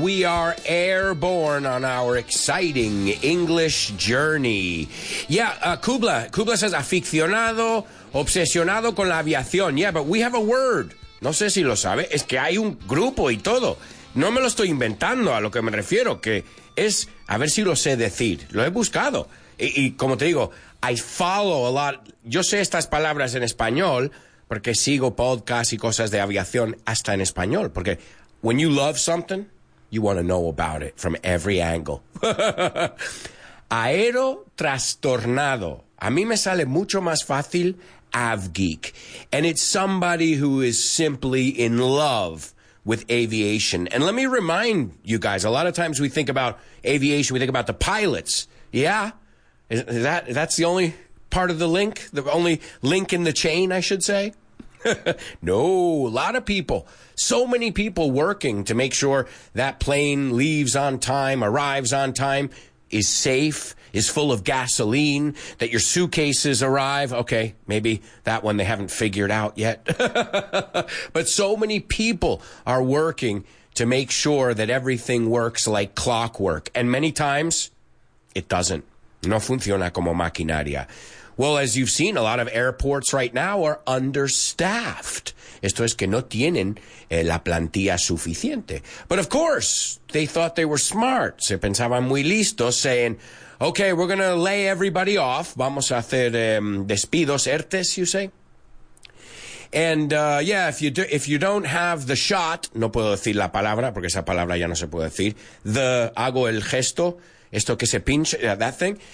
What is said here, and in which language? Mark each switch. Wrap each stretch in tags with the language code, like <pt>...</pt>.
<en>We are airborne on our exciting English journey. Yeah, Kubla says</en> <es>aficionado, obsesionado con la aviación.</es> <en>Yeah, but we have a word.</en> <es>No sé si lo sabe. Es que hay un grupo y todo. No me lo estoy inventando. A lo que me refiero, que es, a ver si lo sé decir. Lo he buscado. Y como te digo,</es> <en>I follow a lot.</en> <es>Yo sé estas palabras en español, porque sigo podcasts y cosas de aviación hasta en español.</es> <en>Porque when you love something, you want to know about it from every angle.</en> <es>Aerotrastornado. A mí me sale mucho más fácil av geek.</es> <en>And it's somebody who is simply in love with aviation. And let me remind you guys, a lot of times we think about aviation, we think about the pilots. Yeah, that's the only part of the link, the only link in the chain, I should say. No, a lot of people, so many people working to make sure that plane leaves on time, arrives on time, is safe, is full of gasoline, that your suitcases arrive. Okay, maybe that one they haven't figured out yet. But so many people are working to make sure that everything works like clockwork. And many times, it doesn't.</en> <es>No funciona como maquinaria.</es> <en>Well, as you've seen, a lot of airports right now are understaffed.</en> <es>Esto es que no tienen la plantilla suficiente.</es> <en>But of course, they thought they were smart.</en> <es>Se pensaban muy listos,</es> <en>saying, okay, we're going to lay everybody off.</en> <es>Vamos a hacer despidos ERTES,</es> <en>you say? And, if you don't have the shot,</en> <es>no puedo decir la palabra, porque esa palabra ya no se puede decir, hago el gesto, esto que se pinche,</es> <en>that thing.</en>